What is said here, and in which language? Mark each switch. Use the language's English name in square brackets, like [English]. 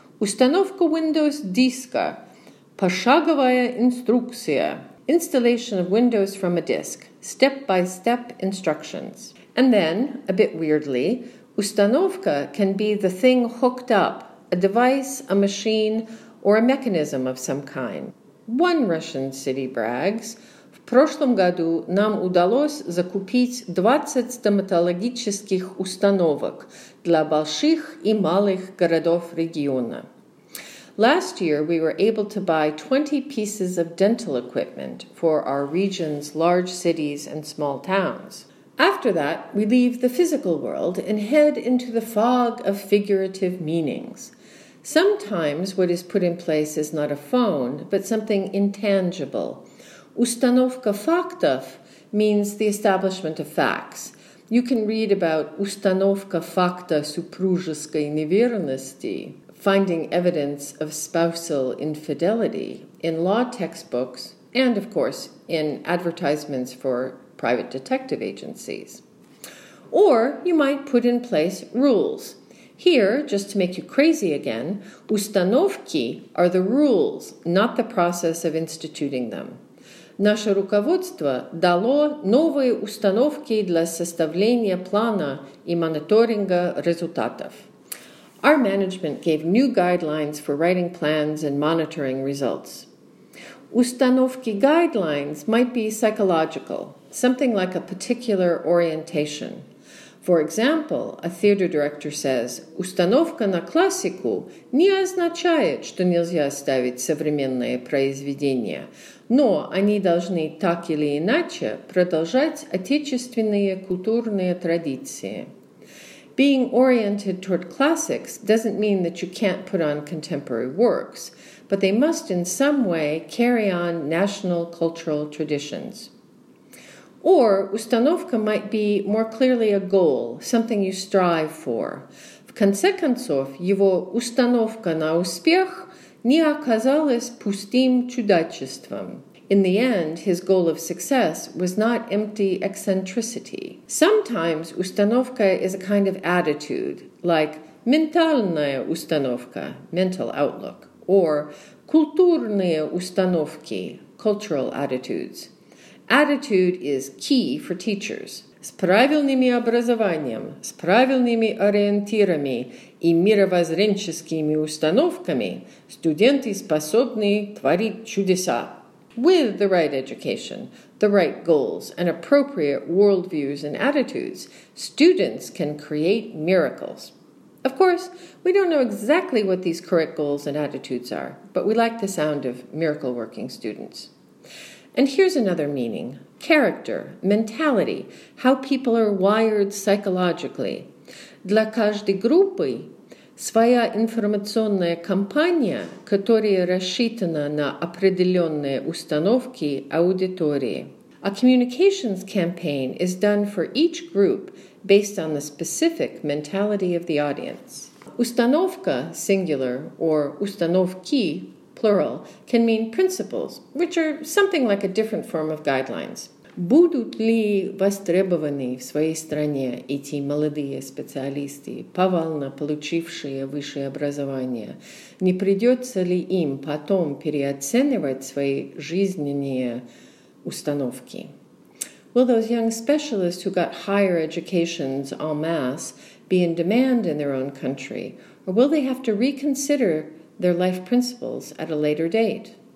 [Russian] Установка Windows диска. Пошаговая инструкция. [English] Installation of Windows from a disk. Step-by-step instructions. And then, a bit weirdly, установка can be the thing hooked up, a device, a machine, or a mechanism of some kind. One Russian city brags, [Russian] в прошлом году нам удалось закупить 20 стоматологических установок для больших и малых городов региона. [English] Last year, we were able to buy 20 pieces of dental equipment for our region's large cities and small towns. After that, we leave the physical world and head into the fog of figurative meanings. Sometimes what is put in place is not a phone, but something intangible. [Russian] Установка фактов [English] means the establishment of facts. You can read about [Russian] установка факта супружеской неверности, [English] finding evidence of spousal infidelity, in law textbooks, and, of course, in advertisements for private detective agencies. Or you might put in place rules. Here, just to make you crazy again, установки are the rules, not the process of instituting them. [Russian] Наше руководство дало новые установки для составления плана и мониторинга результатов. [English] Our management gave new guidelines for writing plans and monitoring results. Установки guidelines might be psychological, something like a particular orientation. For example, a theater director says, [Russian] установка на классику не означает, что нельзя ставить современные произведения, но они должны так или иначе продолжать отечественные культурные традиции. [English] Being oriented toward classics doesn't mean that you can't put on contemporary works, but they must in some way carry on national cultural traditions. Or установка might be more clearly a goal, something you strive for. [Russian] В конце концов, его установка на успех не оказалась пустым чудачеством. [English] In the end, his goal of success was not empty eccentricity. Sometimes установка is a kind of attitude, like [Russian] ментальная установка, [English] mental outlook, or [Russian] культурные установки, [English] cultural attitudes. Attitude is key for teachers. [Russian] с правильными образованием, с правильными ориентирами и мировоззренческими установками студенты способны творить чудеса. [English] With the right education, the right goals, and appropriate worldviews and attitudes, students can create miracles. Of course, we don't know exactly what these correct goals and attitudes are, but we like the sound of miracle-working students. And here's another meaning: character, mentality, how people are wired psychologically. [Russian] Для каждой группы своя информационная кампания, которая рассчитана на определенные установки аудитории. [English] A communications campaign is done for each group based on the specific mentality of the audience. Установка, singular, or установки, plural, can mean principles, which are something like a different form of guidelines. [Russian] Будут ли востребованы в своей стране эти молодые специалисты, повально получившие высшее образование? Не придется ли им потом переоценивать свои жизненные установки? [English] Will those young specialists who got higher educations en masse be in demand in their own country, or will they have to reconsider their life principles at a later date?